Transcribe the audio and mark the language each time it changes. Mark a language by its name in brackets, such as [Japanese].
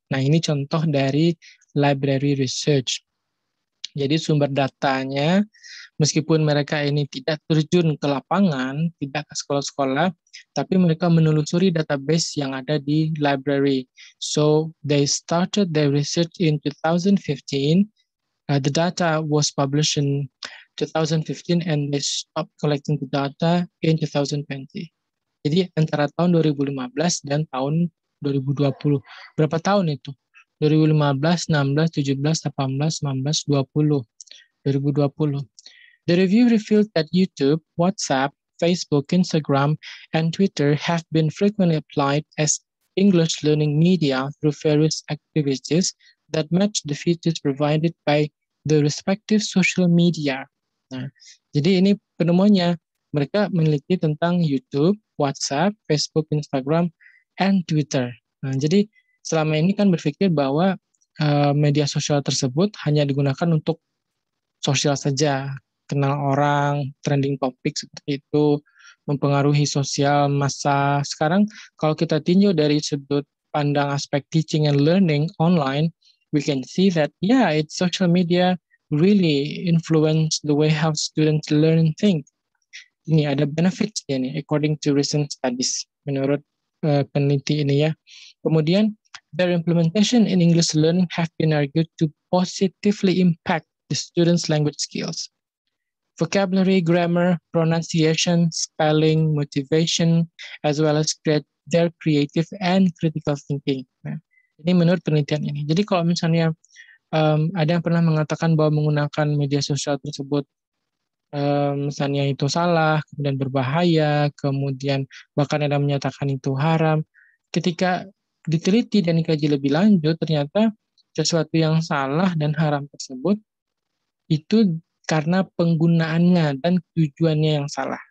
[Indonesian] Nah, ini contoh dari library research. Jadi sumber datanya, meskipun mereka ini tidak terjun ke lapangan, tidak ke sekolah-sekolah, tapi mereka menelusuri database yang ada di library. [English] So, they started their research in 2015. The data was published in 2015 and they stopped collecting the data in 2020. [Indonesian] Jadi antara tahun 2015 dan tahun 2020. Berapa tahun itu? 2015, 16, 17, 18, 19, 20. 2020. [English] The review revealed that YouTube, WhatsApp, Facebook, Instagram, and Twitter have been frequently applied as English learning media through various activities that match the features provided by the respective social media. [Indonesian] Nah, jadi ini penemuannya. Mereka meneliti tentang YouTube, WhatsApp, Facebook, Instagram, and Twitter. Nah, jadi selama ini kan berpikir bahwa media sosial tersebut hanya digunakan untuk sosial saja, kenal orang, trending topic seperti itu, mempengaruhi sosial massa. Sekarang kalau kita tinjau dari sudut pandang aspek [English] teaching and learning online, we can see that yeah, it's social media really influence the way how students learn and think. [Indonesian] Ini ada benefit ya nih, [English] according to recent studies, [Indonesian] menurut peneliti ini ya. [English] Kemudian, their implementation in English learning have been argued to positively impact the students' language skills. Vocabulary, grammar, pronunciation, spelling, motivation, as well as their creative and critical thinking. [Indonesian] Nah, ini menurut penelitian ini. Jadi kalau misalnya ada yang pernah mengatakan bahwa menggunakan media sosial tersebut misalnya itu salah, kemudian berbahaya, kemudian bahkan ada menyatakan itu haram. Ketika diteliti dan dikaji lebih lanjut, ternyata sesuatu yang salah dan haram tersebut itu karena penggunaannya dan tujuannya yang salah.